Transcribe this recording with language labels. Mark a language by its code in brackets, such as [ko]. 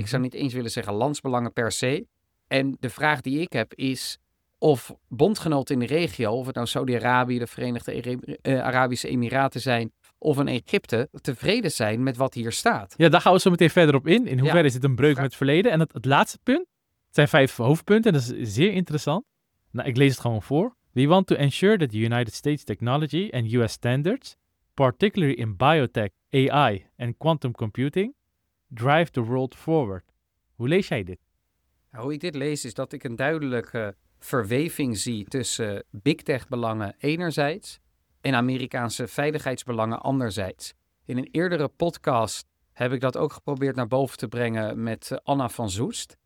[nl] Ik zou niet eens willen zeggen landsbelangen per se. En de vraag die ik heb is, of bondgenoten in de regio, of het nou Saudi-Arabië, de Verenigde Arabische Emiraten zijn, of een Egypte, tevreden zijn met wat hier staat. Ja, daar gaan we zo meteen verder op in. In hoeverre is het een breuk met het verleden? En het laatste punt, het zijn 5 hoofdpunten, en dat is zeer interessant. Nou, ik lees het gewoon voor. [en] We want to ensure that the United States technology and US standards, particularly in biotech, AI and quantum computing, drive the world forward. [nl] Hoe lees jij dit? Nou, hoe ik dit lees is dat ik een duidelijke verweving zie tussen big tech belangen enerzijds en Amerikaanse veiligheidsbelangen anderzijds. In een eerdere podcast heb ik dat ook geprobeerd naar boven te brengen met Anna van Soest.